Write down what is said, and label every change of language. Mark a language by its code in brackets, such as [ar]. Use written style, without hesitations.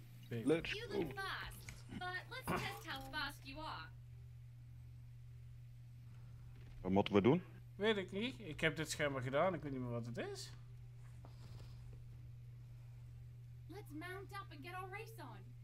[en] You look fast, but let's test how fast you are. [nl] Wat moeten we doen? Weet ik niet. Ik heb dit scherm al gedaan. Ik weet niet meer wat het is. [en] Let's mount up and get our race on.